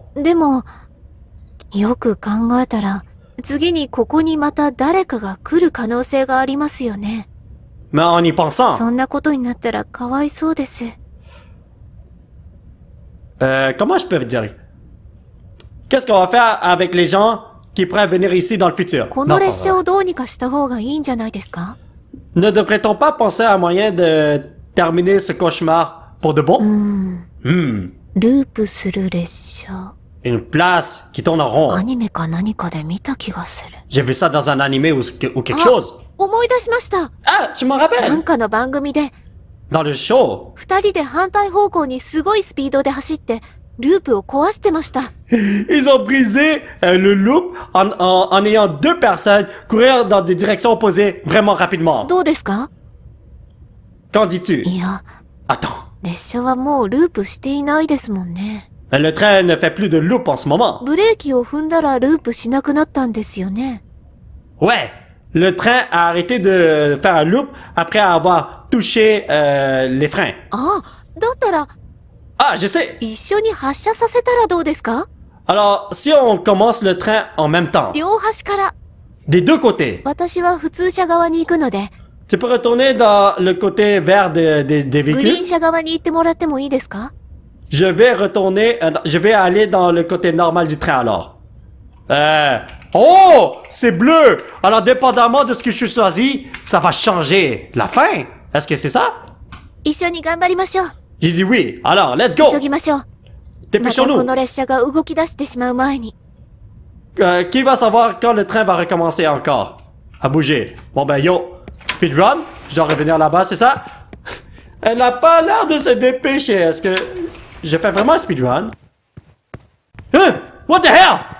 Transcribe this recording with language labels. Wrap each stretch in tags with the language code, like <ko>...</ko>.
<ja>でも、よく考えたら、次にここにまた誰かが来る可能性がありますよね。</ja> <fr>Mais en y pensant.</fr> <ja>そんなことになったらかわいそうです。</ja> <fr>Comment je peux dire? Qu'est-ce qu'on va faire avec les gens qui pourraient venir ici dans le futur?</fr> <ja>この列車をどうにかした方がいいんじゃないですか?</ja> <fr>Ne devrait-on pas penser à un moyen de terminer ce cauchemar pour de bon?</fr> <ja>ループする列車。</ja> <fr>Une place qui tourne en rond.</fr> <ja>アニメか何かで見た気がする。</ja> <fr>J'ai vu ça dans un animé ou quelque chose.</fr> <ja>思い出しました。</ja> <fr>Je m'en rappelle.</fr> <ja>なんかの番組で。</ja> <fr>Dans le show.</fr> <ja>二人で反対方向にすごいスピードで走って、ループを壊してました。</ja> <fr>Ils ont brisé le loop en ayant deux personnes courir dans des directions opposées vraiment rapidement.</fr> <ja>どうですか?</ja> <fr>Qu'en dis-tu?</fr> <ja>いや。</ja> <fr>Attends.</fr> <ja>列車はもうループしていないですもんね。</ja> <fr>Mais le train ne fait plus de loop en ce moment.</fr> <ja>ブレーキを踏んだらループしなくなったんですよね。</ja> <fr>Ouais. Le train a arrêté de faire un loop après avoir touché les freins.</fr> <ja>Ah, だったら。</ja> <fr>Ah, je sais.</fr> <ja>一緒に発車させたらどうですか?</ja> <fr>Alors, si on commence le train en même temps.</fr> <ja>両端から。</ja> <fr>Des deux côtés.</fr> <ja>私は普通車側に行くので。</ja> <fr>Tu peux retourner dans le côté vert des véhicules.</fr> <ja>グリーン車側に行ってもらってもいいですか?</ja> <fr>Je vais aller dans le côté normal du train alors. Oh, c'est bleu. Alors, dépendamment de ce que je choisis, ça va changer la fin. Est-ce que c'est ça?</fr> <ja>一緒に頑張りましょう。</ja> <fr>J'ai dit oui. Alors,</fr> <en>let's go.</en> <ja>急ぎましょう。</ja> <fr>Dépêchons-nous.</fr> <ja>また、この列車が動き出してしまう前に。</ja> <fr>Qui va savoir quand le train va recommencer encore à bouger? Bon ben yo, speedrun. Je dois revenir là-bas, c'est ça? Elle n'a pas l'air de se dépêcher. Est-ce que je fais vraiment un speedrun?</fr> <en>What the hell?</en>